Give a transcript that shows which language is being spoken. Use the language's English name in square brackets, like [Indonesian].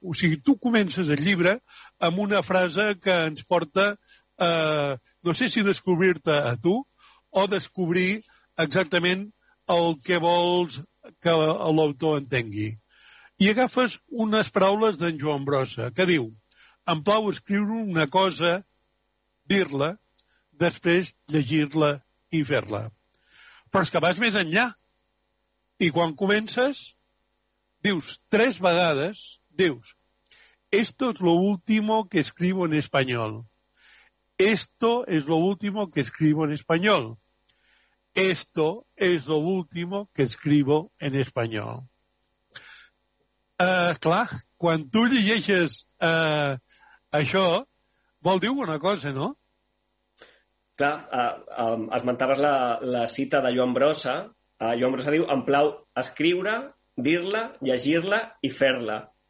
[Catalan] O sigui, tu comences el llibre amb una frase que ens porta, no sé si descobrir-te a tu o descobrir exactament el que vols que l'autor entengui. I agafes unes paraules d'en Joan Brossa, que diu: em plau escriure una cosa, dir-la, després llegir-la i fer-la. Però és que vas més enllà. I quan comences, dius, tres vegades, dius, [Spanish] esto es lo último que escribo en español. Esto es lo último que escribo en español. Esto es lo último que escribo en español. [Catalan] Clar, quan tu llegeixes això, vol dir una cosa, no? Clar, esmentaves la cita de Joan Brossa. Joan Brossa diu, em plau escriure, dir-la, llegir-la i fer-la.